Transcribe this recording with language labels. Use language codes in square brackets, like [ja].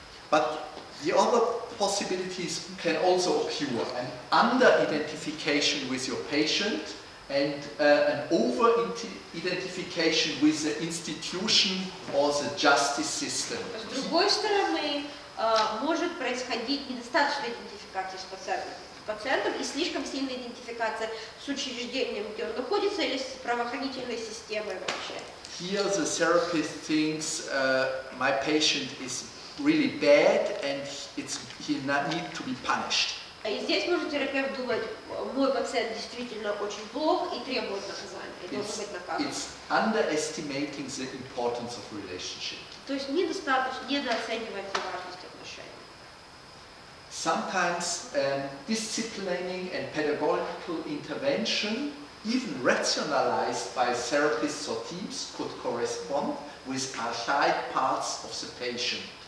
[en] But the other possibilities can also occur: an under-identification with your patient and an over-identification with the institution or the justice system. [ru] С другой стороны, может происходить недостаточная идентификация с пациентом и слишком сильная идентификация с учреждением, где он находится, или с правоохранительной системой вообще. [en] Here the therapist thinks my patient is really bad and he need to be punished. [ru] И здесь может терапевт думать, мой пациент действительно очень плох и требует наказания, и должен быть наказан. [en] It's underestimating the importance of relationship. [ru] То есть недооценивается важность. [en] Sometimes disciplining and pedagogical intervention, even rationalized by therapists or teams, could correspond with archaic parts of the patient.